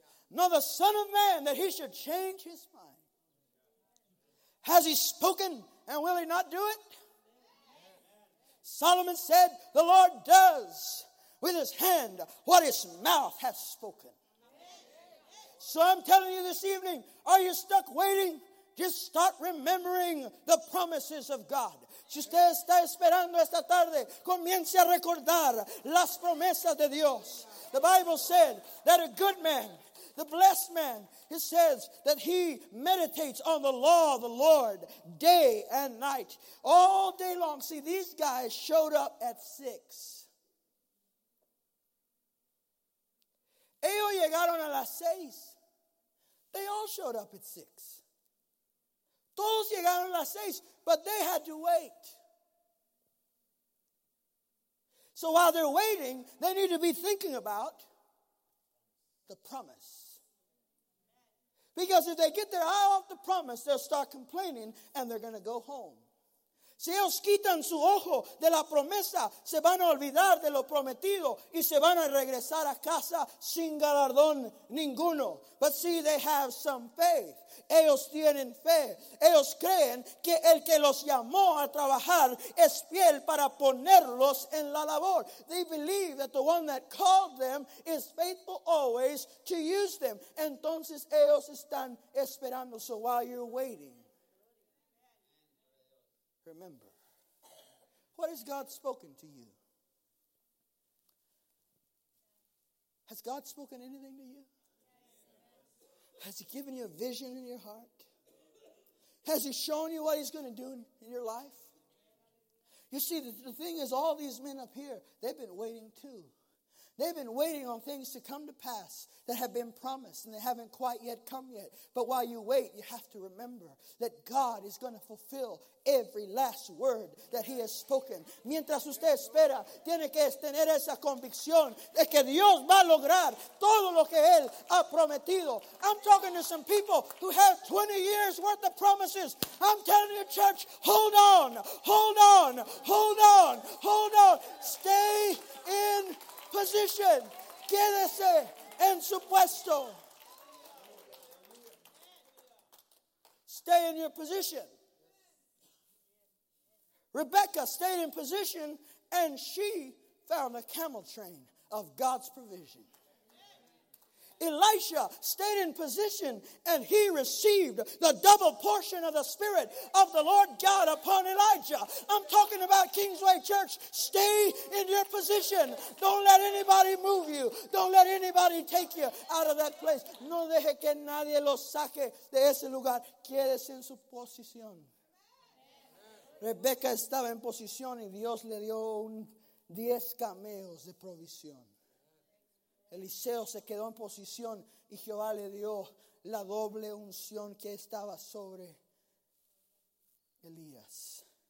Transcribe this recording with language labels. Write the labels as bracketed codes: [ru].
[en] Nor the son of man that he should change his mind. Has he spoken and will he not do it? Solomon said, the Lord does with his hand what his mouth has spoken. So I'm telling you this evening, are you stuck waiting? Just start remembering the promises of God. [es] Si usted está esperando esta tarde, comience a recordar las promesas de Dios. [en] The Bible said that a good man, the blessed man, it says that he meditates on the law of the Lord day and night, all day long. See, these guys showed up at 6. [es] Ellos llegaron a las 6. [en] They all showed up at 6. [es] Todos llegaron a las 6, [en] but they had to wait. So while they're waiting, they need to be thinking about the promise. Because if they get their eye off the promise, they'll start complaining and they're going to go home. [es] Si ellos quitan su ojo de la promesa, se van a olvidar de lo prometido y se van a regresar a casa sin galardón ninguno. [en] But see, they have some faith. [es] Ellos tienen fe. Ellos creen que el que los llamó a trabajar es fiel para ponerlos en la labor. [en] They believe that the one that called them is faithful always to use them. [es] Entonces ellos están esperando. [en] So while you're waiting, remember, what has God spoken to you? Has God spoken anything to you? Has he given you a vision in your heart? Has he shown you what he's going to do in your life? You see, the thing is, all these men up here, they've been waiting too. They've been waiting on things to come to pass that have been promised and they haven't quite yet come yet. But while you wait, you have to remember that God is going to fulfill every last word that he has spoken. [es] Mientras usted espera, tiene que tener esa convicción de que Dios va a lograr todo lo que él ha prometido. [en] I'm talking to some people who have 20 years worth of promises. I'm telling you, church, hold on, hold on, hold on, hold on. Stay in position. [es] Quédese en su puesto. [en] Stay in your position. Rebecca stayed in position and she found a camel train of God's provision. Elisha stayed in position and he received the double portion of the Spirit of the Lord God upon Elijah. I'm talking about Kingsway Church. Stay in your position. Don't let anybody move you. Don't let anybody take you out of that place. [es] No deje que nadie lo saque de ese lugar. Quédese en su posición. Rebeca estaba en posición y Dios le dio 10 cameos de provisión. Eliseo se quedó en posición y Jehová le dio la doble unción que estaba sobre Elías.